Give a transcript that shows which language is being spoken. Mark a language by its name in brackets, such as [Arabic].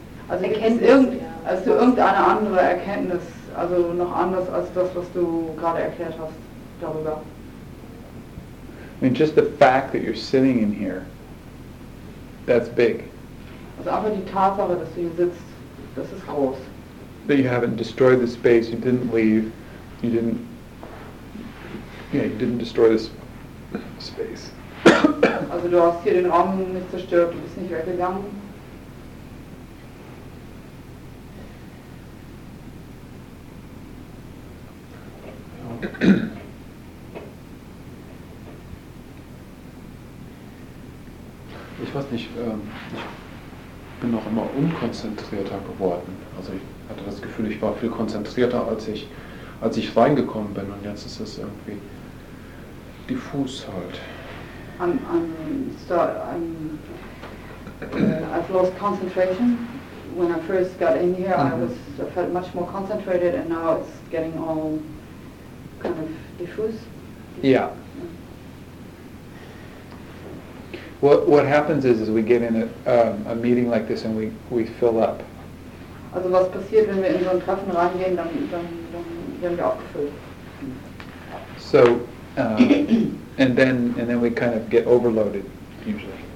[German] also hast du irgendeine andere Erkenntnis, also noch anders als das, was du gerade erklärt hast darüber? [English] I mean, just the fact that you're sitting in here, that's big. [German] Also einfach die Tatsache, dass du hier sitzt, das ist groß. [English] That you haven't destroyed the space, you didn't leave, you didn't destroy this space. [German] Also du hast hier den Raum nicht zerstört, du bist nicht weggegangen. Ich weiß nicht, ich bin noch immer unkonzentrierter geworden. Also ich hatte das Gefühl, ich war viel konzentrierter, als ich reingekommen bin. Und jetzt ist es irgendwie diffus halt. [English] I've lost concentration. When I first got in here, I felt much more concentrated, and now it's getting all kind of diffuse. Yeah. What happens is we get in a meeting like this and we fill up. [German] Also was passiert, wenn wir in so ein Treffen reingehen, dann werden wir aufgefüllt. [English] So and then we kind of get overloaded usually.